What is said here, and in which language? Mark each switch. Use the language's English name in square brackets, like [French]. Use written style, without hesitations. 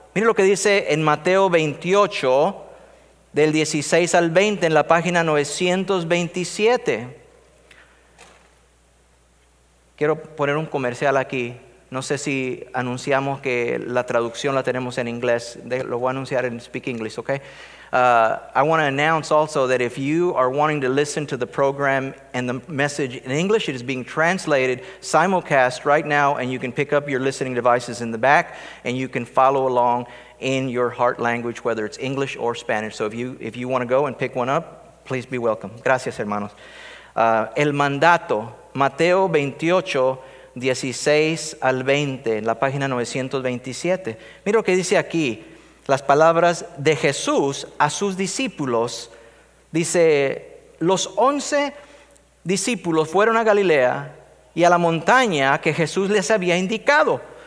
[Spanish] Mire lo que dice en Mateo 28, del 16 al 20, en la página 927. Quiero poner un comercial aquí. No sé si anunciamos que la traducción la tenemos en inglés. Lo voy a anunciar en [English] Speak English, [Spanish] ¿ok? [English] I want to announce also that if you are wanting to listen to the program and the message in English, it is being translated simulcast right now, and you can pick up your listening devices in the back, and you can follow along in your heart language, whether it's English or Spanish. So if you want to go and pick one up, please be welcome. [Spanish] Gracias, hermanos. El mandato, Mateo 28, 16 al 20, en la página 927. Mira lo que dice aquí. Las palabras de Jesús a sus discípulos. Dice, los 11 discípulos fueron a Galilea y a la montaña que Jesús les había indicado.